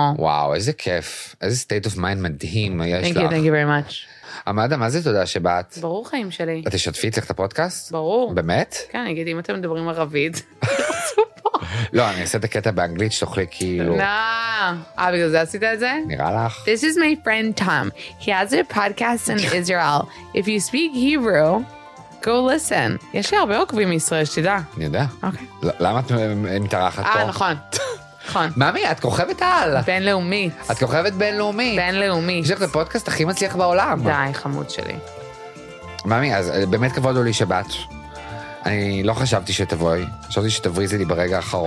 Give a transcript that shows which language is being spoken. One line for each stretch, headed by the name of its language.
Hebrew: וואו, איזה כיף. איזה
English: state of mind
Hebrew: מדהים יש לך.
English: Thank you very much.
Hebrew: עמדה, מה זה תודה שבאת? ברור חיים שלי. את תשתפי אצלך את הפודקאסט? ברור. באמת? כן, אני אגיד, אם אתם מדברים ערבית, לא, אני אעשה את הקטע באנגלית שתוכלי כאילו... נא, בגלל זה עשית את זה? נראה לך.
English: This is my friend Tom. He has a podcast in Israel. If you speak Hebrew, go listen.
Hebrew: יש לי הרבה עוקבים מישראל, שתדע. אני יודע. אוקיי. למה את מתארחת פה? נכון. נכון. מאמי, את כוכבת על. בינלאומית. את כוכבת בינלאומית. בינלאומית. יש לך את הפודקאסט הכי מצליח בעולם. די, חמוד שלי. מאמי, אז באמת כבוד הוא לי שבת. אני לא חשבתי שתבואי, חשבתי שתבריזי לי ברגע האחרון.